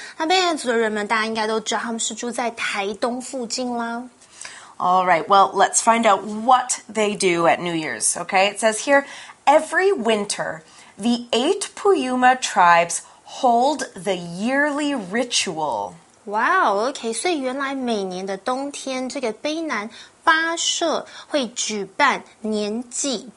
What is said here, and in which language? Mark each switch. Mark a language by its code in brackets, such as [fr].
[zh] 那卑南族的人们，大家应该都知道，他们是住在台东附近啦。 [en] All right, well, let's find out what they do at New Year's. Okay, it says here, every winter, the 8 Puyuma tribes hold the yearly ritual. Wow. [zh] Okay, 所以原来每年的冬天，这个卑南八社会举办年祭。